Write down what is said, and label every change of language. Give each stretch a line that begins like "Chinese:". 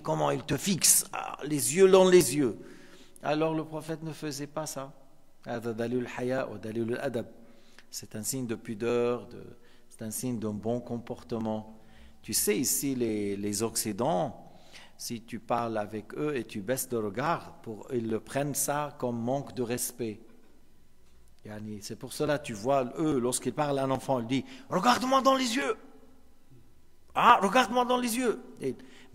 French: Comment ils te fixent? Ah, les yeux dans les yeux. Alors le prophète ne faisait pas ça.
Arabic: هذا دليل الحياء ودليل الأدب.
French: C'est un signe de pudeur, c'est un signe d'un bon comportement. Tu sais, ici, les Occidents, si tu parles avec eux et tu baisses le regard, ils le prennent ça comme manque de respect. Yani, c'est pour cela, tu vois, eux, lorsqu'ils parlent à un enfant, ils disent « Regarde-moi dans les yeux !»« Ah, regarde-moi dans les yeux !»